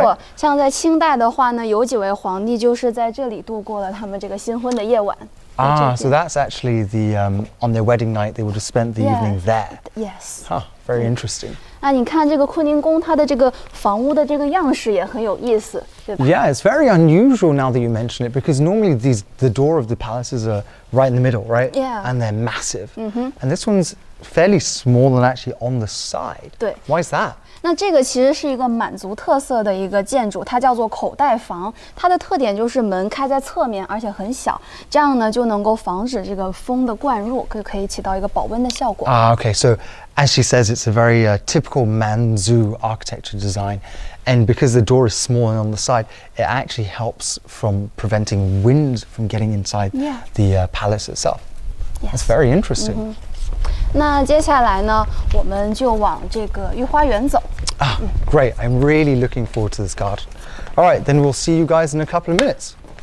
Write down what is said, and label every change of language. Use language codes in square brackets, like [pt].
[zh] 没错，像在清代的话呢，有几位皇帝就是在这里度过了他们这个新婚的夜晚。 [en] Ah, so that's actually the, on their wedding night, they would have spent the evening there. Yes. Huh, very interesting. [zh] 那你看这个坤宁宫它的这个房屋的这个样式也很有意思对吧 [en] Yeah, it's very unusual now that you mention it, because normally these, the door of the palaces are right in the middle, right? Yeah. And they're massive. Mm-hmm. And this one's fairly small and actually on the side. [zh] 对。 [en] Why is that? [zh] 那这个其实是一个满族特色的一个建筑它叫做口袋房它的特点就是门开在侧面而且很小这样呢就能够防止这个风的灌入可以起到一个保温的效果。 [en] Okay, so... As she says, it's a very typical Manzhou architecture design. And because the door is small and on the side, it actually helps from preventing wind from getting inside the palace itself. Yes. That's very interesting. Mm-hmm. [zh] 那接下来呢我们就往这个御花园走。 [en] Ah, great. I'm really looking forward to this garden. All right, then we'll see you guys in a couple of minutes.